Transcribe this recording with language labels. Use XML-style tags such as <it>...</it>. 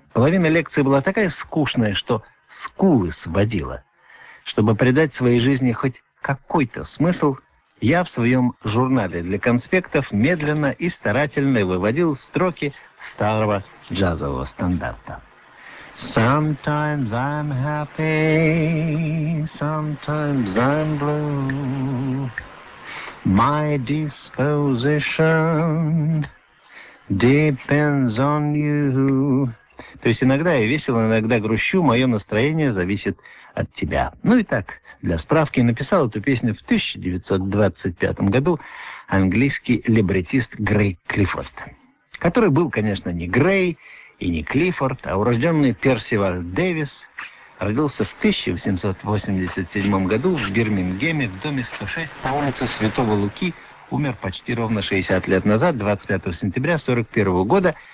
<ru>Половина лекции была такая скучная, что скулы сводила. Чтобы придать своей жизни хоть какой-то смысл, я в своем журнале для конспектов медленно и старательно выводил строки старого джазового стандарта.</ru> <en>Sometimes I'm happy, sometimes I'm blue. My disposition depends on you.</en> <ru>То есть иногда я весело, иногда грущу, мое настроение зависит от тебя. Ну и так, для справки, написал эту песню в 1925 году английский либретист Грей Клиффорд, который был, конечно, не Грей и не Клиффорд, а урожденный Персивал Дэвис, родился в 1887 году в Бирмингеме в доме 106 по улице Святого Луки, умер почти ровно 60 лет назад, 25 сентября 1941 года.</ru>